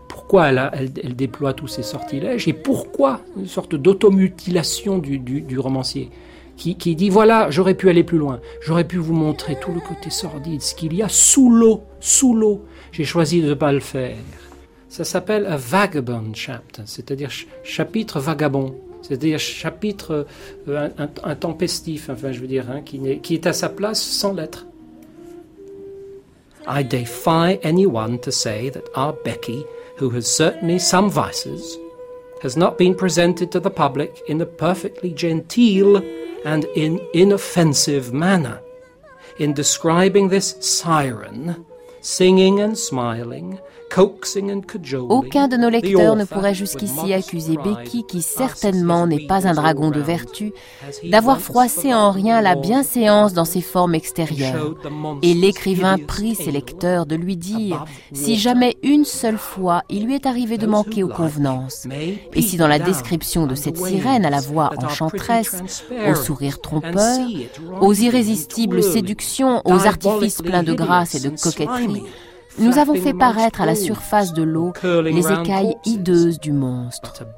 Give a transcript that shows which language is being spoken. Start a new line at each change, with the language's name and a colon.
French: pourquoi elle déploie tous ces sortilèges et pourquoi une sorte d'automutilation du romancier qui dit voilà, j'aurais pu aller plus loin, j'aurais pu vous montrer tout le côté sordide, ce qu'il y a sous l'eau, j'ai choisi de ne pas le faire. Ça s'appelle
English: a vagabond chapter,
French: c'est-à-dire chapitre vagabond. C'est-à-dire chapitre un tempestif, enfin je veux dire, hein, qui est à sa place sans l'être.
English: I defy anyone to say that our Becky, who has certainly some vices, has not been presented to the public in a perfectly genteel and in inoffensive manner. In describing this siren, singing and smiling, coaxing and cajoling,
French: aucun de nos lecteurs ne pourrait jusqu'ici accuser Becky, qui certainement n'est pas un dragon de vertu, d'avoir froissé en rien la bienséance dans ses formes extérieures. Et l'écrivain prie ses lecteurs de lui dire si jamais une seule fois il lui est arrivé de manquer aux convenances, et si dans la description de cette sirène à la voix enchanteresse, aux sourires trompeurs, aux irrésistibles séductions, aux artifices pleins de grâce et de coquetterie, nous avons fait paraître à la surface de l'eau les écailles hideuses du monstre.